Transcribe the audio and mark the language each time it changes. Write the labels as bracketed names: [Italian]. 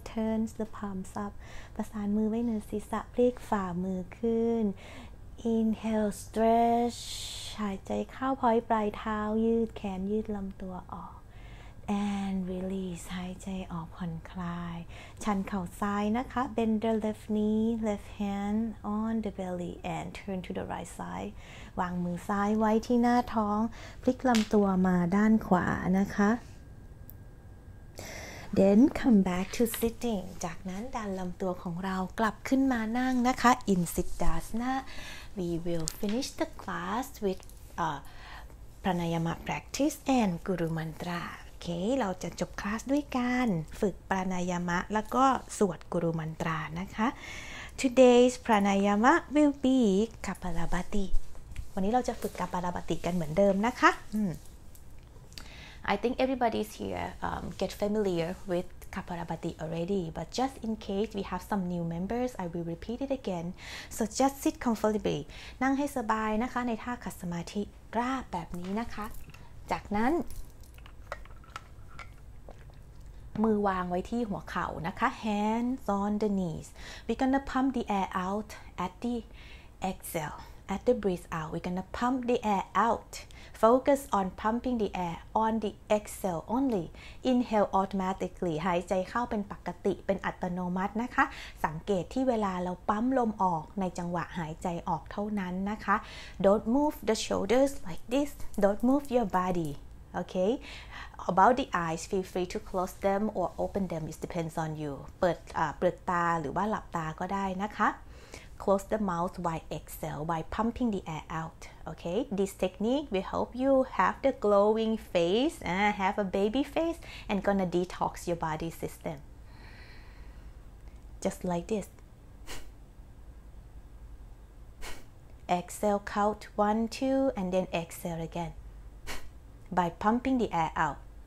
[English] Turn the palms up. [Thai] ประสานมือไว้เหนือศีรษะพลิกฝ่ามือขึ้น [English] Inhale stretch. [Thai] หายใจเข้าพอยปลายเท้ายืดแขนยืดลำตัวออก [English] And release. [Thai] หายใจออกผ่อนคลายชันเข่าซ้ายนะคะ [English] Bend the left knee. Left hand on the belly and turn to the right side. [Thai] วางมือซ้ายไว้ที่หน้าท้องพลิกลำตัวมาด้านขวานะคะ [English] Then come back to sitting [Thai] จากนั้นดันลำตัวของเรากลับขึ้นมานั่งนะคะ [English] In Siddhasana We will finish the class with Pranayama practice and Guru Mantra Okay [Thai] เราจะจบคลาสด้วยการฝึกปรานายามะแล้วก็สวดกุรุมันตรานะคะ [English] Today's Pranayama will be Kapalabhati [Thai] วันนี้เราจะฝึกกับปาราบาติกันเหมือนเดิมนะคะ [English] I think everybody's here get familiar withKapalabhati already, but just in case we have some new members, I will repeat it again. So just sit comfortably. [Thai] นั่งให้สบายนะคะในท่าขัดสมาธิราบแบบนี้นะคะจากนั้นมือวางไว้ที่หัวเข่านะคะ [English] Hands on the knees. We're gonna pump the air out at the exhale. At the breath out, we're gonna pump the air out. Focus on pumping the air on the exhale only. Inhale automatically. [Thai] หายใจเข้าเป็นปกติเป็นอัตโนมัตินะคะสังเกตที่เวลาเราปั๊มลมออกในจังหวะหายใจออกเท่านั้นนะคะ [English] Don't move the shoulders like this. Don't move your body. Okay. About the eyes, feel free to close them or open them. It depends on you. [Thai] เปิดเปลือกตาหรือว่าหลับตาก็ได้นะคะ [English] Close the mouth while exhale by pumping the air out. Okay, this technique will help you have the glowing face, have a baby face, and gonna detox your body system. Just like this. Exhale, count 1, 2, and then exhale again by pumping the air out.